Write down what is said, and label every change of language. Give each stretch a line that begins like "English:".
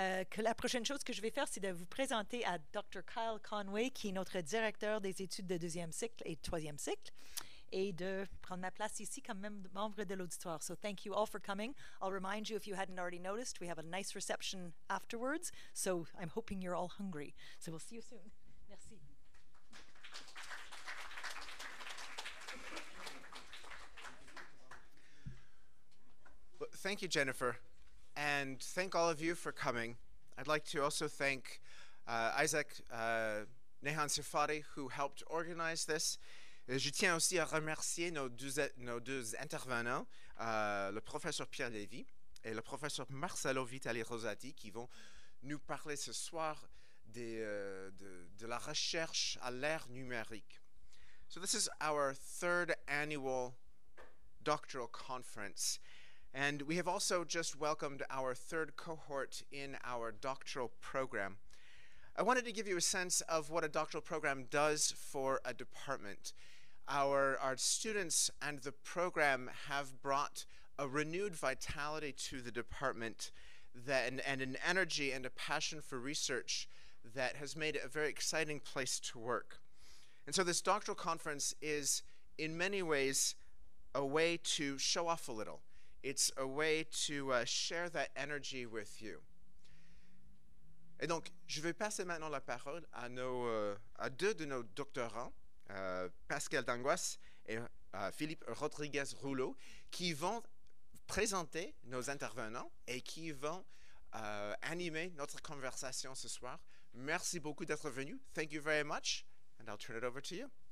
French: Que la prochaine chose que je vais faire, c'est de vous présenter à Dr. Kyle Conway, qui est notre directeur des études de deuxième cycle et troisième cycle, et de prendre ma place ici comme membre de l'auditoire.
English: So thank you all for coming. I'll remind you, if you hadn't already noticed, we have a nice reception afterwards, so I'm hoping you're all hungry. So we'll see you soon. Merci. Thank you, Jennifer, and thank all of you for coming. I'd like to also thank Isaac Nehan Sirfati, who helped organize this.
French: Je tiens aussi à remercier nos deux intervenants, le professeur Pierre Lévy et le professeur Marcelo Vitale Rosati, qui vont nous parler ce soir de la recherche à l'ère numérique.
English: So this is our third annual doctoral conference. And we have also just welcomed our third cohort in our doctoral program. I wanted to give you a sense of what a doctoral program does for a department. Our students and the program have brought a renewed vitality to the department and an energy and a passion for research that has made it a very exciting place to work. And so this doctoral conference is in many ways a way to show off a little. It's a way to share that energy with you.
French: Et donc, je vais passer maintenant la parole à deux de nos doctorants, Pascal D'Angoise et Philippe Rodriguez Rouleau, qui vont présenter nos intervenants et qui vont animer notre conversation ce soir. Merci beaucoup d'être venus.
English: Thank you very much, and I'll turn it over to you.